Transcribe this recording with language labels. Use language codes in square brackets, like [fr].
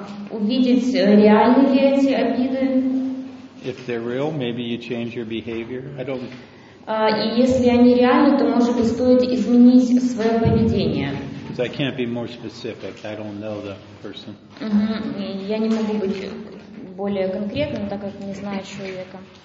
[ru] Увидеть, реальны ли эти обиды. [en] If they're real, maybe you change your behavior. I don't. [ru] И если они реальны, то может быть стоит изменить свое поведение. [en] Because I can't be more specific. I don't know the person. [ru] Я не могу быть более конкретным, так как не знаю человека.